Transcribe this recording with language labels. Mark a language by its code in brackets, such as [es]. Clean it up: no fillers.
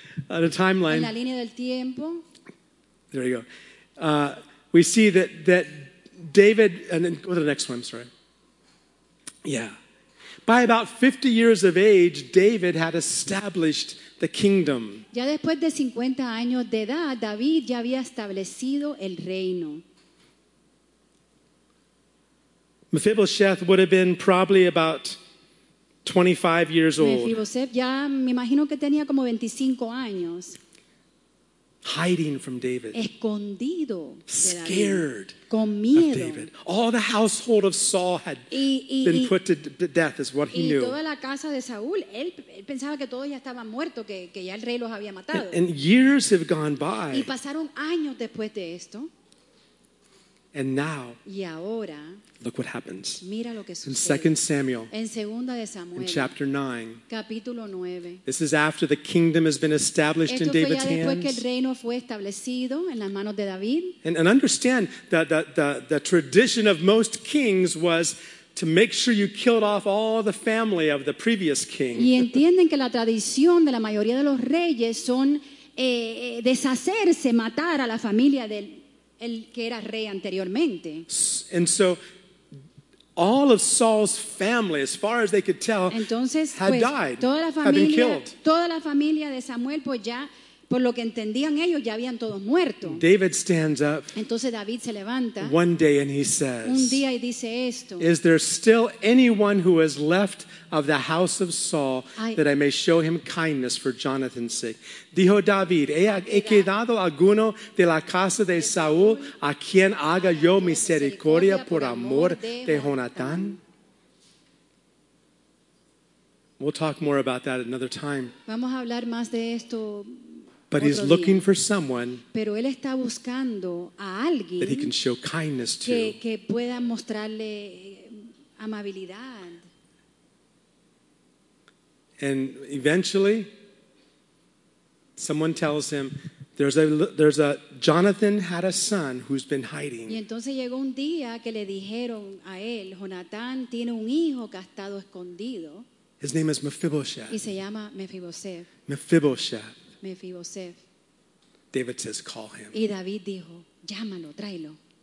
[en] on a timeline. [es] En la línea del tiempo. [en] There you go. We see that David, and then go to the next one, sorry. Yeah. By about 50 years of age, David had established the kingdom. [es] Ya después de 50 años de edad, David ya había establecido el reino. [en] Mephibosheth would have been probably about 25 years old. [es] Mephibosheth ya me imagino que tenía como 25 años. [en] Hiding from David. [es] Escondido. [en] Scared. [es] Con miedo. [en] Of David. All the household of Saul had been put to death is what he knew. [es] Y toda la casa de Saúl, él pensaba que todos ya estaban muertos, que ya el rey los había matado. [en] And years have gone by. [es] Y pasaron años después de esto. [en] And now. [es] Y ahora. [en] Look what happens. [es] Mira lo que sucede. [en] In 2 Samuel. [es] En segunda de Samuel. [en] In chapter 9. [es] Capítulo 9. [en] This is after the kingdom has been established [es] esto [en] in David's [es] fue ya después [en] hands. [es] Que el reino fue establecido en las manos de David. [en] And understand that the tradition of most kings was to make sure you killed off all the family of the previous king. [es] Y entienden que la tradición de la mayoría de los reyes son deshacerse, matar a la familia del el que era rey anteriormente. [en] And so all of Saul's family, as far as they could tell, [es] entonces, [en] had [es] pues, [en] died, [es] toda la familia, [en] had been killed. [es] Toda la familia de Samuel, pues ya, por lo que entendían ellos, ya habían todos muerto. [en] David stands up. [es] Entonces David se levanta. [en] One day and he says, [es] un día y dice esto. [en] Is there still anyone who has left of the house of Saul that I may show him kindness for Jonathan's sake? [es] Dijo David, ¿he quedado alguno de la casa de Saúl a quien haga yo misericordia por amor de Jonathan? [en] We'll talk more about that another time. [es] Vamos a hablar más de esto. [en] But he's looking for someone, [es] pero él está buscando a alguien [en] that he can show kindness to. [es] Que pueda mostrarle amabilidad. [en] And eventually, someone tells him, there's a Jonathan had a son who's been hiding. [es] Y entonces llegó un día que le dijeron a él, Jonathan tiene un hijo que ha estado escondido. [en] His name is Mephibosheth. [es] Y se llama Mephibosheth. [en] Mephibosheth. [es] Mephibosheth. [en] David says, call him. [es] Y David dijo, llámalo, tráelo.